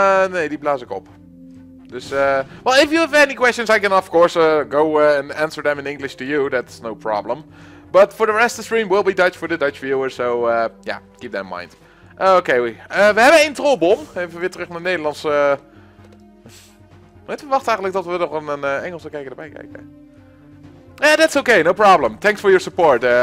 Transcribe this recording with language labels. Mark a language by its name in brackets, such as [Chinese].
[Dutch] nee, die blaas ik op. [English] Dus, well, if you have any questions, I can, of course, go and answer them in English to you, that's no problem. But for the rest of the stream, will be Dutch for the Dutch viewers, so, yeah, keep that in mind. [Dutch] Okay, we hebben een trollbom. Even weer terug naar Nederlands, Maar we wachten eigenlijk dat we nog een Engelse kijker erbij kijken. [English] Eh, yeah, that's okay, no problem. Thanks for your support.